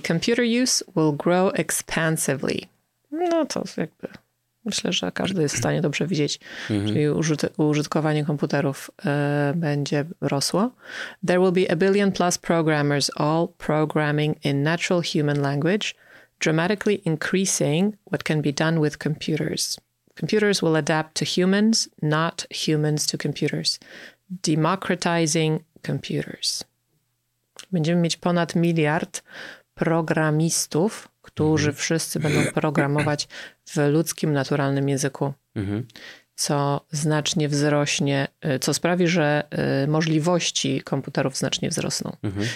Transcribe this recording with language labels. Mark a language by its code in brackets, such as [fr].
[en] Computer use will grow expansively. [pl] No to jakby myślę, że każdy jest w stanie dobrze widzieć. Czyli użytkowanie komputerów będzie rosło. [en] There will be a billion plus programmers all programming in natural human language, dramatically increasing what can be done with computers. Computers will adapt to humans, not humans to computers. Democratizing computers. [pl] Będziemy mieć ponad miliard programistów, którzy mm-hmm. wszyscy będą programować w ludzkim, naturalnym języku. Mm-hmm. Co znacznie wzrośnie, co sprawi, że możliwości komputerów znacznie wzrosną. Mm-hmm.